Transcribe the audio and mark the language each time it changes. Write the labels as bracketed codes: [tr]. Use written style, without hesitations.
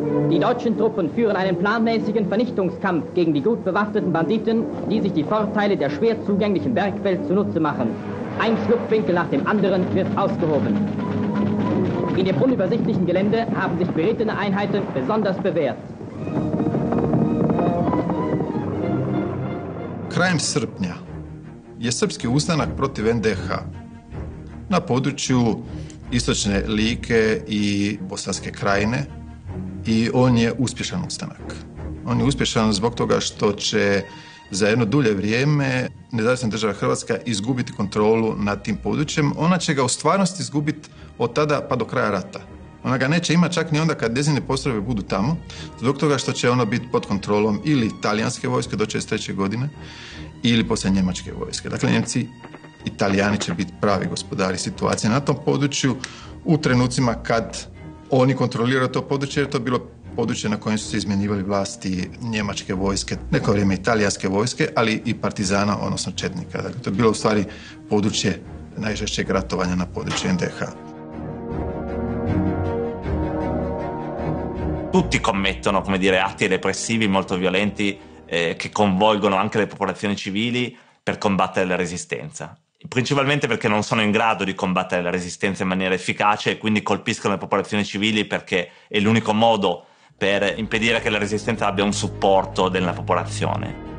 [de] Die deutschen Truppen führen einen planmäßigen Vernichtungskampf gegen die gut bewaffneten Banditen, die sich die Vorteile der schwer zugänglichen Bergwelt zunutze machen. Ein Schlupfwinkel nach dem anderen wird ausgehoben. In dem unübersichtlichen Gelände haben sich berittene Einheiten besonders bewährt. [hr] Krajem srpnja je srpski ustanak protiv NDH na području istočne Like i Bosanske Krajine. I on je uspješan ustanak. On je uspješan zbog toga što će za jedno dulje vrijeme Nezavisna država Hrvatska izgubiti kontrolu nad tim područjem. Ona će ga u stvarnosti izgubiti od tada pa do kraja rata. Ona ga neće imati čak ni onda kad njezine postrojbe budu tamo, zbog toga što će ona biti pod kontrolom ili talijanske vojske do 43. godine ili poslije njemačke vojske. Dakle, Njemci i Talijani će biti pravi gospodari situacije na tom području u trenucima kad oni kontroliraju to područje, jer to je bilo područje na kojem su se izmjenjivali vlasti njemačke vojske, neko vrijeme italijanske vojske, ali i partizana, odnosno četnika. Dakle, to je bilo u stvari područje najžešćeg ratovanja na području NDH. [it] Tutti commettono, come dire, atti repressivi molto violenti che coinvolgono anche le popolazioni civili per combattere la resistenza. Principalmente perché non sono in grado di combattere la resistenza in maniera efficace e quindi colpiscono le popolazioni civili perché è l'unico modo per impedire che la resistenza abbia un supporto della popolazione.